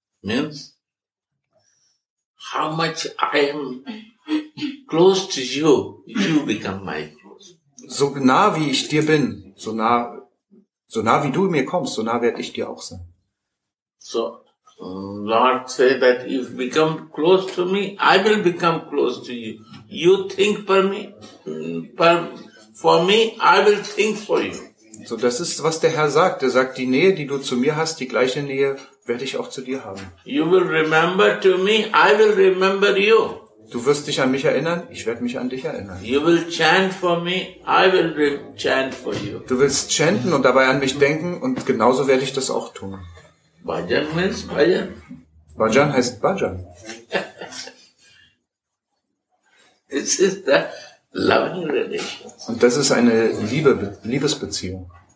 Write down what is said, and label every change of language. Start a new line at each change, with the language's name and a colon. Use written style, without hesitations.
English: Means how much I am close to you, you become my close.
German: So nah wie ich dir bin, so nah wie du mir kommst, so nah werde ich dir auch sein.
English: So Lord say that if you become close to me, I will become close to you. You think for me, I will think for you.
German: So, das ist, was der Herr sagt. Er sagt, die Nähe, die du zu mir hast, die gleiche Nähe werde ich auch zu dir haben.
English: You will remember to me, I will remember you.
German: Du wirst dich an mich erinnern, ich werde mich an dich erinnern.
English: You will chant for me, I will chant for you.
German: Du willst chanten und dabei an mich denken und genauso werde ich das auch tun.
English: Bhajan means Bhajan.
German: Bhajan heißt Bhajan.
English: This is the loving relationship.
German: Und das ist eine Liebesbeziehung.